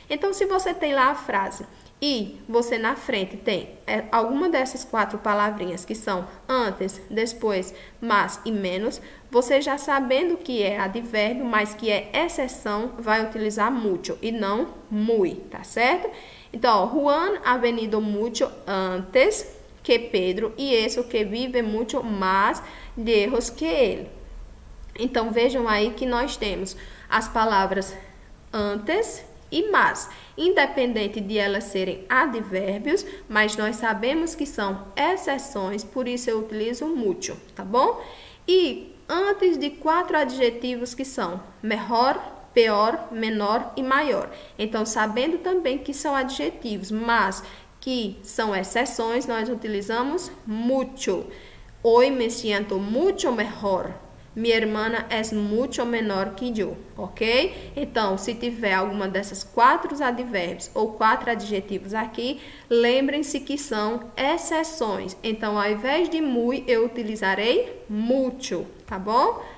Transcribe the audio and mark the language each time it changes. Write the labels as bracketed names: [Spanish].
[Portuguese] Então, se você tem lá a frase e você na frente tem alguma dessas quatro palavrinhas que são antes, depois, mais e menos, você já sabendo que é advérbio, mas que é exceção, vai utilizar mucho e não muy, tá certo? Então, ó, [Spanish] Juan ha venido mucho antes que Pedro e eso que vive mucho más lejos que él. [Portuguese] Então, vejam aí que nós temos as palavras antes e mas, independente de elas serem advérbios, mas nós sabemos que são exceções, por isso eu utilizo mucho, tá bom? E antes de quatro adjetivos que são mejor, peor, menor e maior. Então, sabendo também que são adjetivos, mas que são exceções, nós utilizamos mucho. [Spanish] Hoy me siento mucho mejor. [Portuguese] Minha irmã é muito menor que eu, ok? Então, se tiver alguma dessas quatro advérbios ou quatro adjetivos aqui, lembrem-se que são exceções. Então, ao invés de muy, eu utilizarei mucho, tá bom?